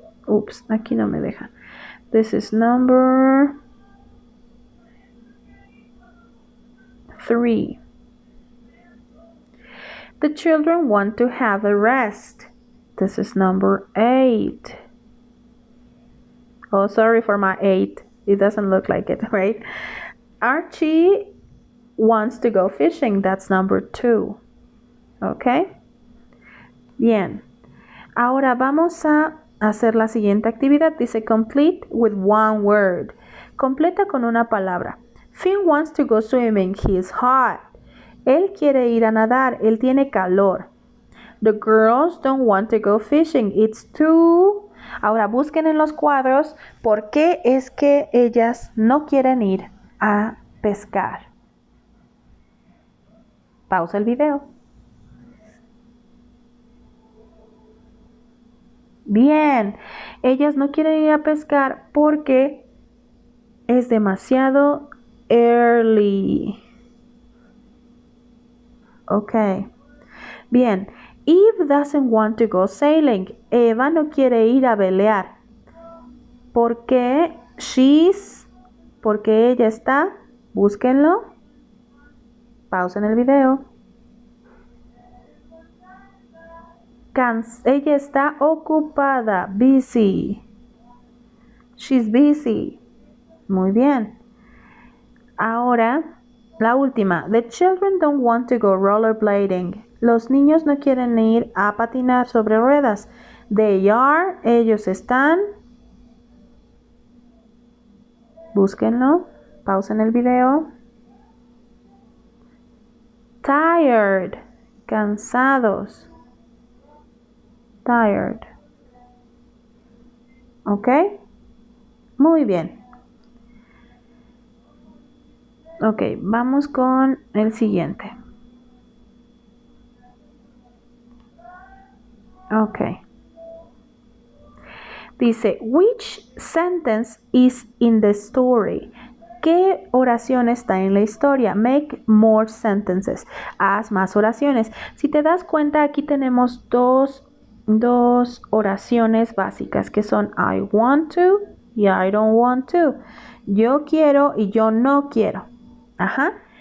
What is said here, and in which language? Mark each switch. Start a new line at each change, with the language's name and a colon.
English: Oops,
Spanish: aquí no me deja.
English: This is number 3. The children want to have a rest. This is number 8. Oh, sorry for my 8. It doesn't look like it, right? Archie wants to go fishing. That's number 2. Okay? Bien.
Spanish: Ahora vamos a hacer la siguiente actividad.
English: Dice complete with one word.
Spanish: Completa con una palabra.
English: Finn wants to go swimming. He's hot.
Spanish: Él quiere ir a nadar. Él tiene calor.
English: The girls don't want to go fishing. It's too...
Spanish: Ahora busquen en los cuadros por qué es que ellas no quieren ir a pescar. Pausa el video. Bien, ellas no quieren ir a pescar porque es demasiado early. Ok, bien.
English: Eve doesn't want to go sailing.
Spanish: Eva no quiere ir a velear. ¿Por qué? She's... ¿Por qué ella está? Búsquenlo. Pausa en el video. Ella está ocupada. Busy.
English: She's busy.
Spanish: Muy bien. Ahora, la última.
English: The children don't want to go rollerblading.
Spanish: Los niños no quieren ir a patinar sobre ruedas.
English: They are,
Spanish: ellos están. Búsquenlo. Pausen el video.
English: Tired. Cansados. Tired.
Spanish: ¿Ok? Muy bien. Ok, vamos con el siguiente. Ok.
English: Dice, which sentence is in the story?
Spanish: ¿Qué oración está en la historia?
English: Make more sentences.
Spanish: Haz más oraciones. Si te das cuenta, aquí tenemos dos oraciones básicas que son
English: I want to
Spanish: y
English: I don't want to.
Spanish: Yo quiero y yo no quiero. Ajá.